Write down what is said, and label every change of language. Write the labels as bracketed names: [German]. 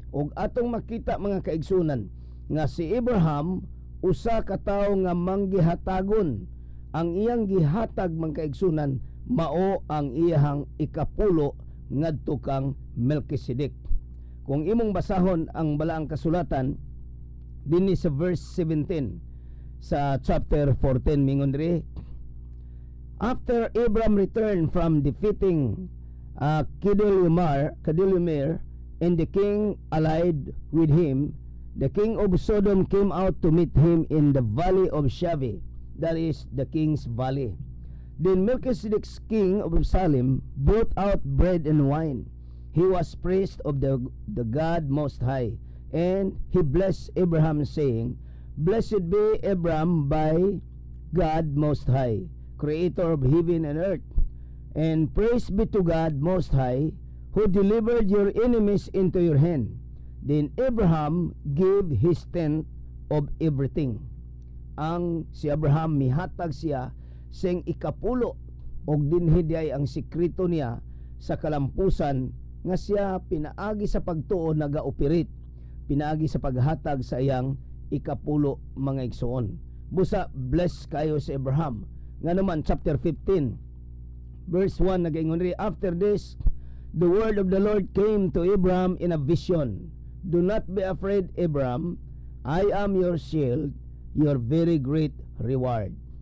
[Cebuano] Ug atong makita mga kaigsunan nga si Abraham usa ka tawo nga manggihatagon. Ang iyang gihatag mga kaigsunan mao ang iyang ikapulo ngadto kang Melchizedek. Kung imong basahon ang balaang kasulatan dinhi sa verse 17 sa chapter 14 mingon diri, [English] after Abraham returned from defeating Kedorlaomer and the king allied with him, the king of Sodom came out to meet him in the valley of Shave, that is the king's valley. Then Melchizedek, king of Salem, brought out bread and wine. He was priest of the God Most High, and he blessed Abraham, saying, blessed be Abraham by God Most High, creator of heaven and earth, and praise be to God Most High, who delivered your enemies into your hand. Then Abraham gave his tenth of everything. [Cebuano] Ang si Abraham mihatag siya sing ikapulo, og dinhi diay ang sikreto niya sa kalampusan nga siya pinaagi sa pagtuo nagaoperate, pinaagi sa paghatag sa iyang ikapulo mga igsoon. Busa bless kayo si Abraham. Nga naman, [English] chapter 15, verse 1, [Cebuano] nagingon rin, [English] after this, the word of the Lord came to Abraham in a vision. Do not be afraid, Abraham. I am your shield, your very great reward.